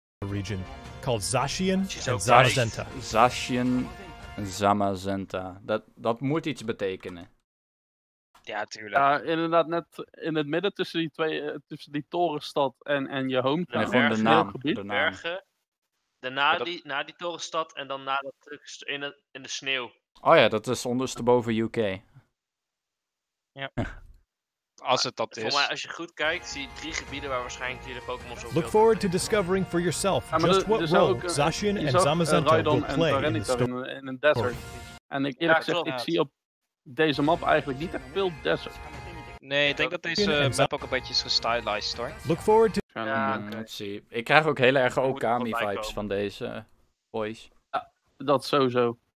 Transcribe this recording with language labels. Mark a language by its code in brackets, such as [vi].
[en] Region called Zacian and Zamazenta. [nl] Zacian en Zamazenta. Dat moet iets betekenen. Ja, tuurlijk. Inderdaad, net in het midden tussen die twee, tussen die torenstad en je hometown. Ja, gewoon de naam. De naam. Na die torenstad en dan na dat in de sneeuw. Oh ja, dat is ondersteboven UK. Ja. Als het dat is. Voor mij, als je goed kijkt, zie je drie gebieden waar waarschijnlijk je de Pokémon zo veel. [en] Look forward to discovering for yourself just what role Zacian and Zamazenta will play in the story. [nl] In een desert. En ik eerlijk gezegd, ik zie op deze map eigenlijk niet echt veel desert. Nee, ik denk dat deze map ook een beetje is gestylized, hoor. [en] Look forward to. [nl] Zie. Ik krijg ook heel erg Okami vibes van deze boys. Ja, dat sowieso.